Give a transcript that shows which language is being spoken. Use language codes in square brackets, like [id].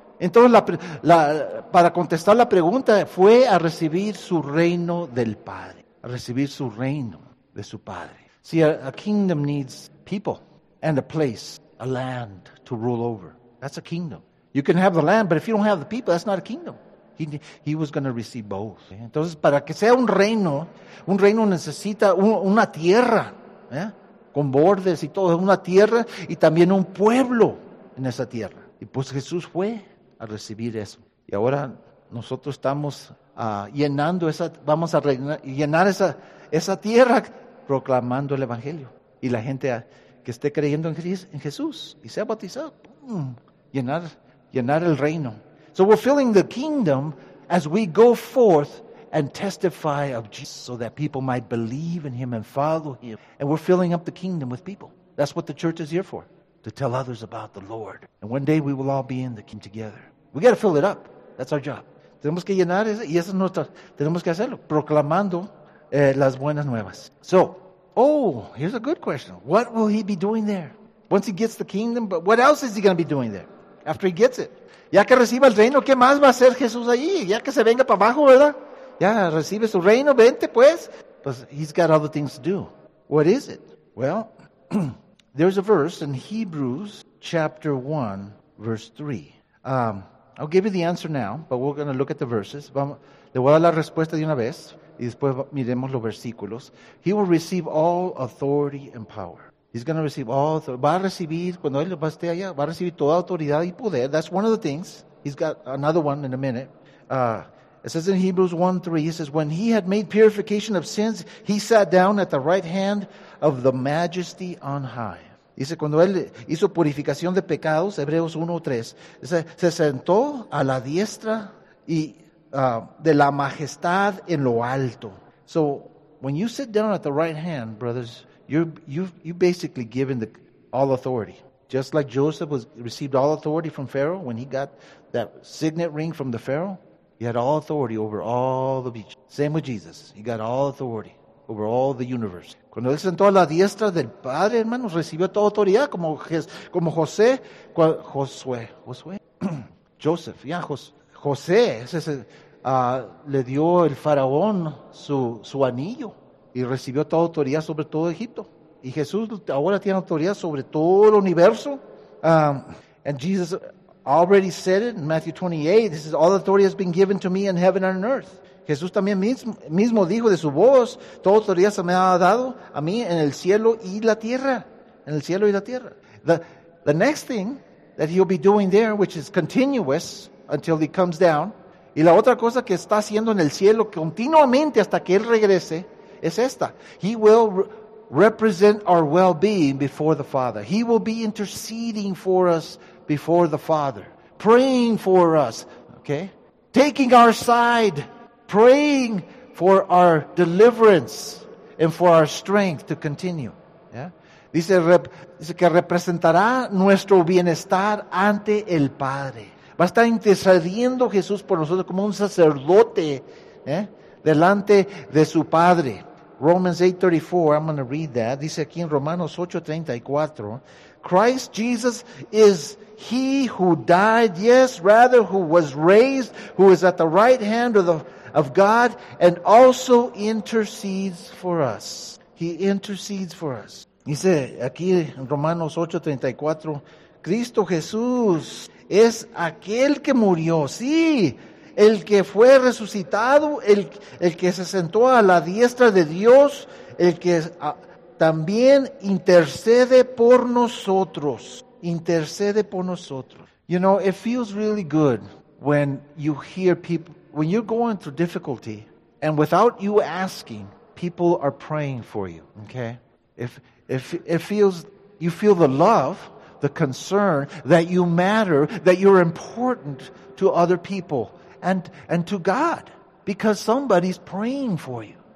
[es] Entonces, para contestar la pregunta, fue a recibir su reino del Padre. A recibir su reino de su Padre. [en] See, a kingdom needs people and a place, a land to rule over. That's a kingdom. You can have the land, but if you don't have the people, that's not a kingdom. He was going to receive both. [es] Entonces, para que sea un reino necesita una tierra, ¿eh? Con bordes y todo, una tierra y también un pueblo en esa tierra. Y pues Jesús fue a recibir eso. Y ahora nosotros estamos llenando esa, vamos a llenar esa tierra proclamando el Evangelio. Y la gente que esté creyendo en Jesús y sea bautizado, boom, llenar el reino. [en] So we're filling the kingdom as we go forth and testify of Jesus so that people might believe in him and follow him. And we're filling up the kingdom with people. That's what the church is here for, to tell others about the Lord. And one day we will all be in the kingdom together. We got to fill it up. That's our job. [es] Tenemos que llenar ese, y eso es nuestro, tenemos que hacerlo, proclamando las buenas nuevas. [en] So, oh, here's a good question. What will he be doing there? Once he gets the kingdom, but what else is he going to be doing there? After he gets it. [es] Ya que reciba el reino, ¿qué más va a hacer Jesús allí? Ya que se venga para abajo, ¿verdad? Ya recibe su reino, vente pues. [en] But he's got other things to do. What is it? Well, there's a verse in Hebrews chapter 1, verse 3. I'll give you the answer now, but we're going to look at the verses. [es] Le voy a dar la respuesta de una vez, y después miremos los versículos. [en] He will receive all authority and power. He's going to receive all authority. [es] Va a recibir, cuando él esté allá, va a recibir toda autoridad y poder. [en] That's one of the things. He's got another one in a minute. It says in Hebrews 1:3, he says, when he had made purification of sins, he sat down at the right hand of the majesty on high. [es] Dice, cuando él hizo purificación de pecados, Hebreos 1:3, se sentó a la diestra y de la majestad en lo alto. [en] So, when you sit down at the right hand, brothers, you're basically given all authority. Just like Joseph received all authority from Pharaoh, when he got that signet ring from the Pharaoh, he had all authority over all the beach. Same with Jesus. He got all authority over all the universe. [es] Cuando él sentó a la diestra del Padre, hermanos, recibió toda autoridad, como José, Josué, Joseph, ya, José, le dio el faraón su anillo, y recibió toda autoridad sobre todo Egipto. Y Jesús ahora tiene autoridad sobre todo el universo. [en] And Jesus already said it in Matthew 28, this is all authority has been given to me in heaven and on earth. [es] Jesús también mismo dijo de su voz, toda autoridad se me ha dado a mí en el cielo y la tierra. En el cielo y la tierra. [en] The next thing that he'll be doing there, which is continuous until he comes down, [es] y la otra cosa que está haciendo en el cielo continuamente hasta que él regrese, es esta. [en] He will represent our well-being before the Father. He will be interceding for us before the Father. Praying for us. Okay? Taking our side. Praying for our deliverance and for our strength to continue. Yeah? [es] Dice que representará nuestro bienestar ante el Padre. Va a estar intercediendo Jesús por nosotros como un sacerdote, delante de su Padre. [en] Romans 8:34, I'm going to read that. [es] Dice aquí en [en] Romanos 8:34, Christ Jesus is he who died, yes, rather who was raised, who is at the right hand of God and also intercedes for us. He intercedes for us. [es] Dice aquí en Romanos 8:34, Cristo Jesús es aquel que murió, sí, el que fue resucitado, el que se sentó a la diestra de Dios, el que también intercede por nosotros. Intercede por nosotros. [en] You know, it feels really good when you hear people, when you're going through difficulty, and without you asking, people are praying for you, okay? If feels, you feel the love, the concern, that you matter, that you're important to other people, and to God, because somebody's praying for you.